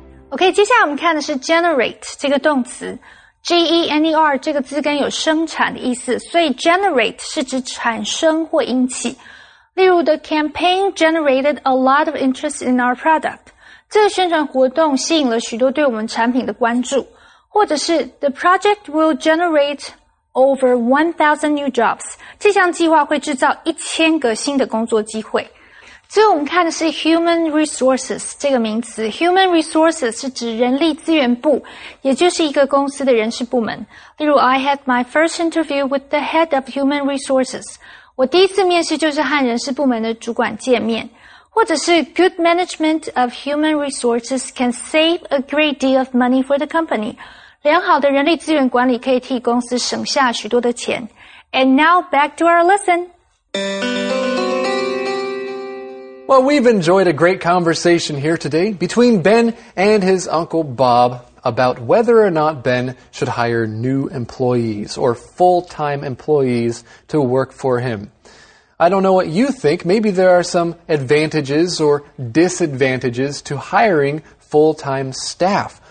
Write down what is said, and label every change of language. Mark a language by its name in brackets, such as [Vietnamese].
[Chinese] Okay, 接下来我们看的是 generate 这个动词。G-E-N-E-R 这个字根有生产的意思，所以 generate 是指产生或引起。例如 [English] the campaign generated a lot of interest in our product. [Chinese] 这个宣传活动吸引了许多对我们产品的关注。或者是 [English] the project will generate... over 1,000 new jobs. [Chinese] 这项计划会制造1000个新的工作机会。最后我们看的是 human resources 这个名词。 Human resources 是指人力资源部，也就是一个公司的人事部门。例如 [English] I had my first interview with the head of human resources. [Chinese] 我第一次面试就是和人事部门的主管见面。或者是 [English] good management of human resources can save a great deal of money for the company. [Chinese] 良好的人力资源管理可以替公司省下许多的钱。 [English] And now back to our lesson. Well, we've enjoyed a great conversation here today between Ben and his Uncle Bob about whether or not Ben should hire new employees or full-time employees to work for him. I don't know what you think. Maybe there are some advantages or disadvantages to hiring full-time staff.